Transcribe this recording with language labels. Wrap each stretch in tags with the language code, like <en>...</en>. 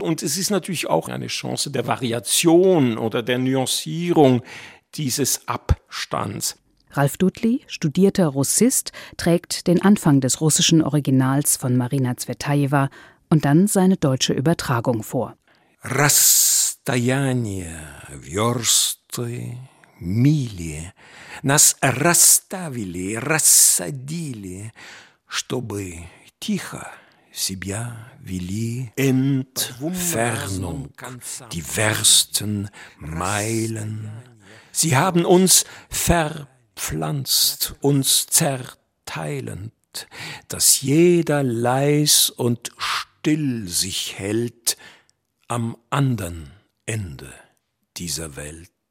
<de>Und es ist natürlich auch eine Chance der Variation oder der Nuancierung dieses Abstands. Ralf Dudli, studierter Russist, trägt den Anfang des russischen Originals von Marina Tsvetajewa und dann seine deutsche Übertragung vor.</de> <ru>Расстояние, версты, мили, нас расставили, рассадили, чтобы тихо себя вели.</ru> <de>Entfernung, die версten Meilen. Sie haben uns verpflanzt, uns zerteilend, dass jeder leis und still sich hält am anderen Ende dieser Welt.</de>